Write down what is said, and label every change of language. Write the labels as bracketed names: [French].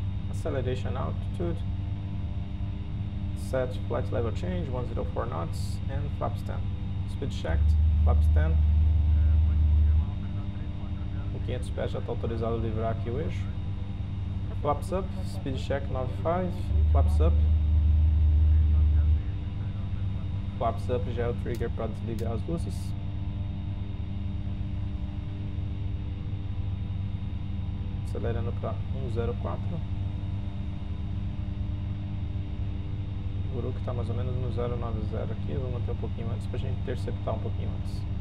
[English] Acceleration altitude, set flight level change, 104 knots, and flap stem. Speed checked, flap stem. [Portuguese] O 500 pés já está autorizado a livrar aqui o eixo. [English] Flaps up, speed check 95, flaps up. [Portuguese] Flaps up já é o trigger para desligar as luzes. Acelerando para 104. Que está mais ou menos no 090 aqui, vou manter um pouquinho antes para a gente interceptar um pouquinho antes.